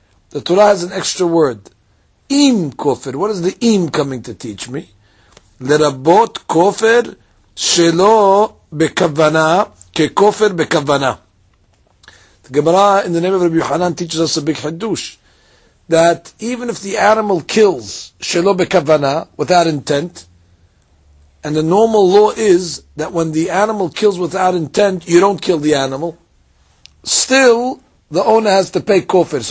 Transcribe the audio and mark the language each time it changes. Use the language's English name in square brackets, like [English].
[English] The Torah has an extra word. Im kofir. What is the im coming to teach me? [Hebrew] לרבות כופר שלא בכוונה, ככופר בכוונה. [English] The Gemara in the name of Rabbi Yohanan teaches us a big chidush, that even if the animal kills [Hebrew] שלא בכוונה, [English] without intent, and the normal law is that when the animal kills without intent, you don't kill the animal, still the owner has to pay כופר.